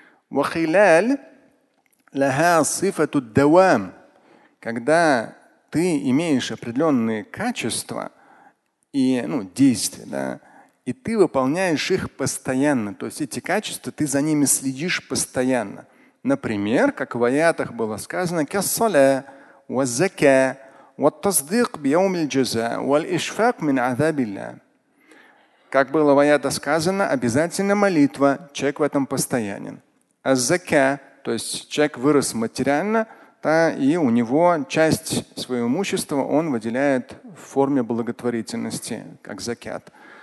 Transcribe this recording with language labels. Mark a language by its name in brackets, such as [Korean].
[Arabic] وَخِلَالَ لَهَا صِفَةُ الدَّوَامِ. [Russian] Когда ты имеешь определенные качества и действия, да, и ты выполняешь их постоянно, то есть эти качества, ты за ними следишь постоянно. Например, как в аятах было сказано, [Arabic] كَالصَّلَى وَالزَّكَى وَالتَّصْدِقْ بِيَوْمِ الْجَزَى وَالْإِشْفَاقْ مِنْ عَذَابِ اللَّهِ. [Russian] Как было в аятах сказано, обязательно молитва, человек в этом постоянен. Аз-закя, то есть человек вырос материально, да, и у него часть своего имущества он выделяет в форме благотворительности, как закят.